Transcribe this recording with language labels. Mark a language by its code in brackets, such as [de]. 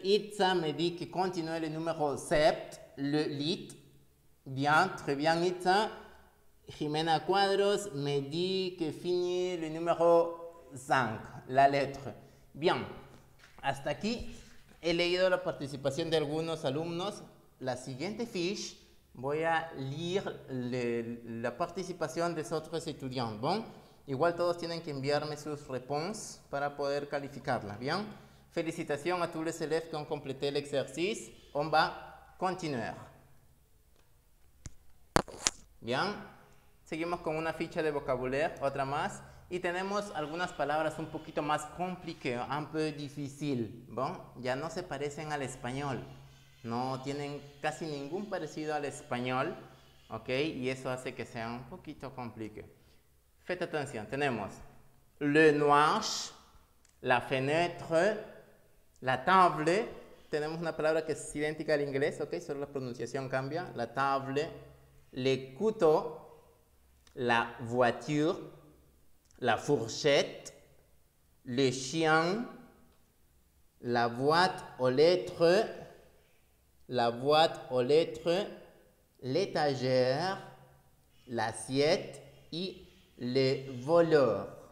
[fr] Itza me dit que continue le numéro 7, le lit, bien, très bien, Itza. Jimena Cuadros me dit que fini le numéro 5, la lettre. [es] Bien, hasta aquí he leído la participación de algunos alumnos. La siguiente fiche, voy a leer la participación de otros estudiantes. Bon, igual todos tienen que enviarme sus réponses para poder calificarla. [fr] Bien, [es] felicitación [fr] a tous les élèves qui ont complété l'exercice. On va continuer. Bien. [es] Seguimos con una ficha de vocabulario, otra más. Y tenemos algunas palabras un poquito más complicadas, [fr] un peu [es] difícil. ¿Bon? Ya no se parecen al español. No tienen casi ningún parecido al español. ¿Ok? Y eso hace que sea un poquito complicado. [fr] Faites atención. [es] Tenemos [fr] le noir, la fenêtre, la table. [es] Tenemos una palabra que es idéntica al inglés. ¿Ok? Solo la pronunciación cambia. [fr] La table, le couteau. La voiture, la fourchette, le chien, la boîte aux lettres, l'étagère, l'assiette et les voleurs.